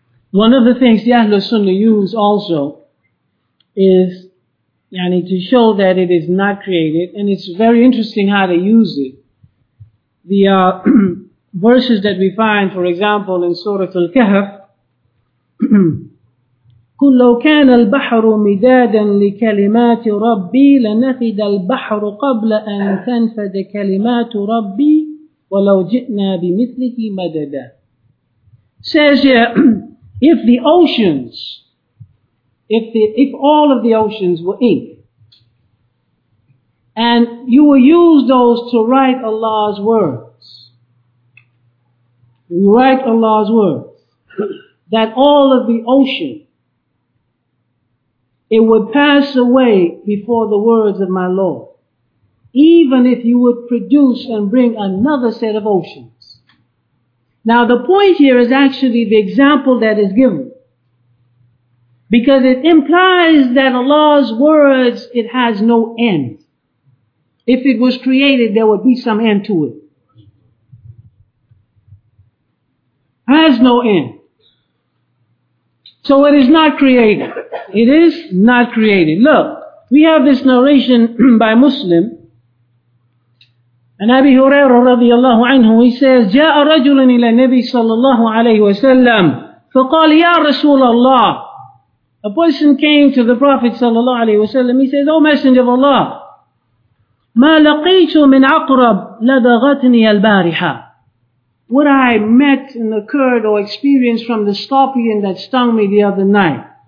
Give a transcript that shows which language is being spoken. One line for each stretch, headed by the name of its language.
English: One of the things the Ahlul Sunnah use also is yani, to show that it is not created, and it's very interesting how they use it. The verses that we find, for example, in Surah Al-Kahf,
Arabic: كُلَّوْ كَانَ الْبَحْرُ مِدَادًا لِكَلِمَاتِ رَبِّي لَنَفِدَ الْبَحْرُ قَبْلَ أَنْ تَنْفَدَ كَلِمَاتُ رَبِّي وَلَوْ جِئْنَا بِمِثْلِهِ مَدَدًا.
English: Says here, if the oceans, if all of the oceans were ink, and you will use those to write Allah's word, we write Allah's words, that all of the ocean it would pass away before the words of my Lord, even if you would produce and bring another set of oceans. Now the point here is actually the example that is given, because it implies that Allah's words, it has no end. If it was created, there would be some end to it. Has no end. So it is not created. It is not created. Look, we have this narration by Muslim. And Abi Hurairah radiallahu anhu, he says,
Arabic: جَاءَ رَجُلٌ إِلَى النَّبِي صَلَّى اللَّهُ عَلَيْهُ وَسَلَّمُ فَقَالْ يَا رَسُولَ اللَّهُ.
English: A person came to the Prophet صلى الله عليه وسلم. He says, O Messenger of Allah,
Arabic: مَا لَقِيتُ مِنْ عَقْرَبْ لَبَغَتْنِي الْبَارِحَةِ.
English: What I met and occurred or experienced from the scorpion that stung me the other night.